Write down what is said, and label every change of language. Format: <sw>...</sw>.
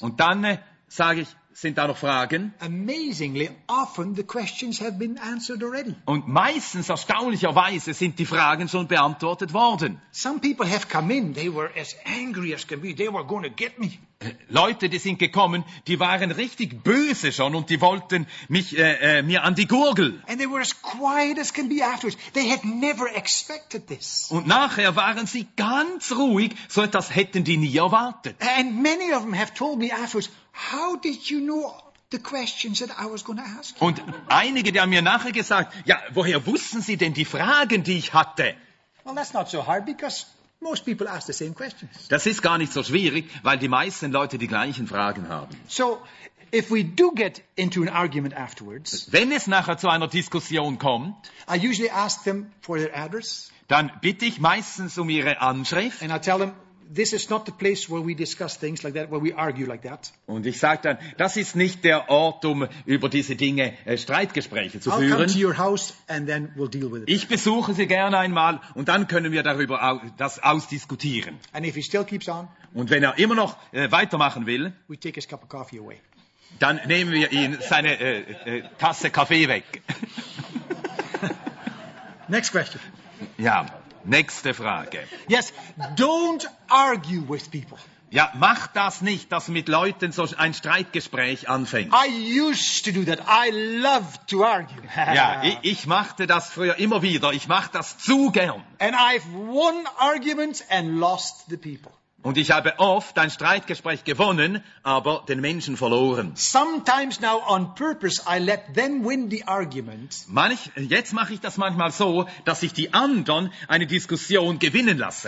<de>Und dann sage ich, sind da noch Fragen?</de> <en>Amazingly often the questions have been answered already.</en> <de>Und meistens, erstaunlicherweise, sind die Fragen schon beantwortet worden.</de> <en>Some people have come in, they were as angry as can be, they were going to get me.</en> <de>Leute, die sind gekommen, die waren richtig böse schon und die wollten mich mir an die Gurgel.</de> <en>And they were as quiet as can be afterwards. They had never expected this.</en> <de>Und nachher waren sie ganz ruhig, so etwas hätten die nie erwartet.</de> <en>And many of them have told me afterwards, how did you know the questions that I was going to ask?</en> <de>Und einige, die haben mir nachher gesagt, ja, woher wussten sie denn die Fragen, die ich hatte?</de> <en>Well, that's not so hard because most people ask the same questions.</en> <de>Das ist gar nicht so schwierig, weil die meisten Leute die gleichen Fragen haben.</de> <en>So, if we do get into an argument afterwards,</en> <de>wenn es nachher zu einer Diskussion kommt,</de> <en>I usually ask them for their address.</en> <de>Dann bitte ich meistens um ihre Anschrift.</de> <en>And I tell them, this is not the place where we discuss things like that, where we argue like that.</en> <de>Und ich sage dann, das ist nicht der Ort, um über diese Dinge Streitgespräche zu</de> <en>I'll</en> <de>führen.</de> <en>I'll come to your house and then we'll deal with it.</en> <de>Ich besuche Sie gerne einmal und dann können wir darüber das ausdiskutieren.</de> <en>And if he still keeps on,</en> <de>und wenn er immer noch weitermachen will,</de> <en>we take his cup of coffee away.</en> <de>Dann nehmen wir ihn seine Tasse Kaffee weg.</de> <en>Next question.</en> <de>Ja. Nächste Frage.</de> <en>Yes, don't argue with people.</en> <de>Ja, mach das nicht, dass mit Leuten so ein Streitgespräch anfängt.</de> <en>I used to do that. I love to argue.</en> <de>Ja, ich machte das früher immer wieder. Ich mach das zu gern.</de> <en>And I've won arguments and lost the people.</en> <de>Und ich habe oft ein Streitgespräch gewonnen, aber den Menschen verloren.</de> <en>Sometimes now on purpose I let them win the argument.</en> <de>Jetzt mache ich das manchmal so, dass ich die anderen eine Diskussion gewinnen lasse.</de>